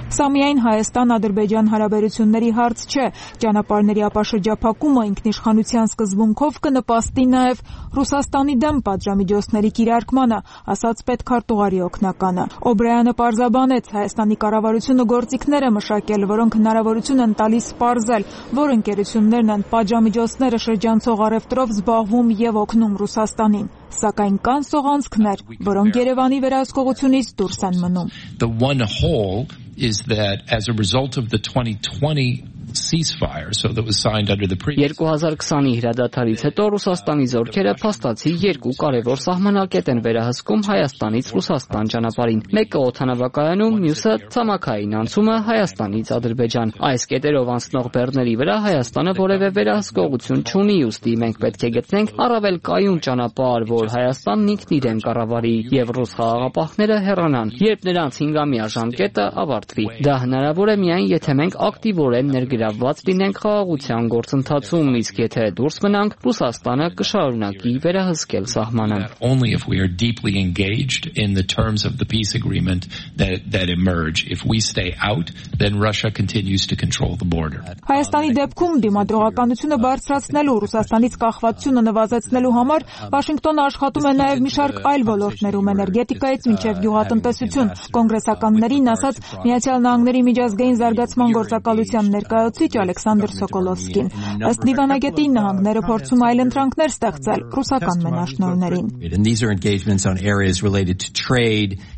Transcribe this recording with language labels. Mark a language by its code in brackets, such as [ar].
[hy] Սա միայն Հայաստան-Ադրբեջան հարաբերությունների հարց չէ, ճանապարհների ապաշրջափակումը ինքնիշխանության սկզբունքով կնպաստի նաև Ռուսաստանի դեմ պատժամիջոցների կիրարկմանը, ասաց պետքարտուղարի օգնականը։ Օ'Բրայանը պարզաբանեց, Հայաստանի կառավարությունը գործիքներ է մշակել, որոնք հնարավորություն են տալիս սպառզել, որ ընկերություններն են պատժամիջոցները շրջանցող առևտրով զբաղվում և օգնում Ռուսաստանին, սակայն կան սողանցքներ, որոնք Երևանի վերահսկողությունից դուրս են մնում։ [en] The one hole is that as a result of the 2020 ceasefire, so that was signed under the previous. [hy] 2020-ի հրադադարից հետո Ռուսաստանի զորքերը փաստացի երկու կարևոր սահմանակետ են վերահսկում Հայաստանից Ռուսաստան ճանապարհին։ Մեկը օթանավակայանում, մյուսը ցամաքային անցումը Հայաստանից Ադրբեջան։ Այս կետերով անցնող բեռների վրա Հայաստանը որևէ վերահսկողություն չունի, ուստի մենք պետք է գտնենք առավել կայուն ճանապարհ, որ Հայաստանն ինքն իրեն կառավարի եւ ռուս խաղաղապահները հեռանան, երբ նրանց հինգամյա ժամկետը ավարտվի։ Դա հնարավոր է միայն եթե մենք ակտիվորեն ներգրավված լինենք խաղաղության գործընթացում, իսկ եթե դուրս մնանք, Ռուսաստանը կշարունակի վերահսկել սահմանը։ [en] Only if we are deeply engaged in the terms of the peace agreement that emerge, if we stay out, then Russia continues to control the border. [hy] Հայաստանի դեպքում դիմադրողականությունը բարձրացնելու Ռուսաստանից կախվածությունը նվազեցնելու համար Վաշինգտոնը աշխատում է նաև մի շարք այլ ոլորտներում, էներգետիկայից մինչև գյուղատնտեսություն։ Կոնգրեսականներին ասաց Միացյալ Նահանգների միջազգային զարգացման գործակալության ներկայացուցիչ Ալեքսանդր Սոկոլովսկին։ Ըստ դիվանագետի, նահանգները փորձում այլ ընտրանքներ ստեղծել ռուսական մենաշնորներին։